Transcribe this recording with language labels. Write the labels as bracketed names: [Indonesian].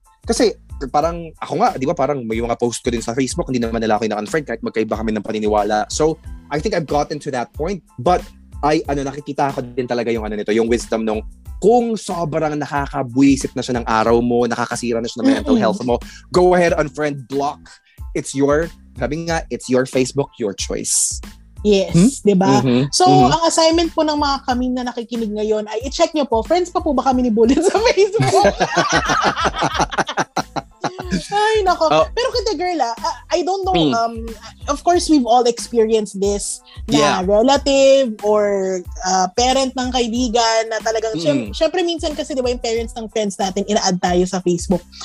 [Filipino] Kasi parang ako nga, di ba, parang may mga post ko din sa Facebook, hindi naman nila ako ina-unfriend kahit magkaiba kami ng paniniwala. [English] So, I think I've gotten to that point. [Filipino] But nakikita ko din talaga yung ano nito, yung wisdom nung kung sobrang nakakabwisit na siya ng araw mo, nakakasira na siya ng mental health mo, [English] go ahead, unfriend, block. It's your, [Filipino] sabi nga, [English] it's your Facebook, your choice. Yes, diba? Mm-hmm. [Filipino] So, ang assignment po ng mga kami na nakikinig ngayon ay i-check nyo po, friends pa po ba kami ni Bullet sa Facebook? Ay, nako. Oh. Pero kita girl, [English] I don't know. Of course, we've all experienced this [Filipino] na relative or parent ng kaibigan na talagang, syempre minsan kasi, di ba, yung parents ng friends natin, ina-add tayo sa Facebook.